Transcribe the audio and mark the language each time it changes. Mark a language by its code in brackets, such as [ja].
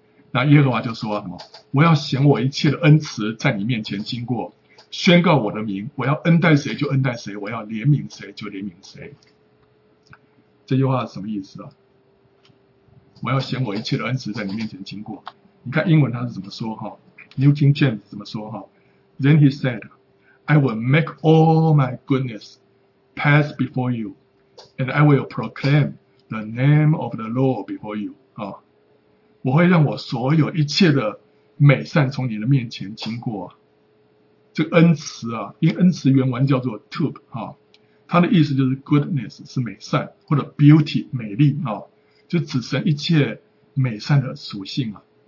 [zh] 那耶和华就说什么？我要显我一切的恩慈在你面前经过，宣告我的名。我要恩待谁就恩待谁，我要怜悯谁就怜悯谁。这句话是什么意思啊？我要显我一切的恩慈在你面前经过。你看英文它是怎么说哈 [en] ？New King James 怎么说哈 ？Then he said, "I will make all my goodness pass before you, and I will proclaim the name of the Lord before you." [zh] 啊，我会让我所有一切的美善从你的面前经过。这个恩慈啊，因为恩慈原文叫做 tub 啊。他的意思就是 goodness 是美善，或者 beauty 美丽啊，就指神一切美善的属性啊。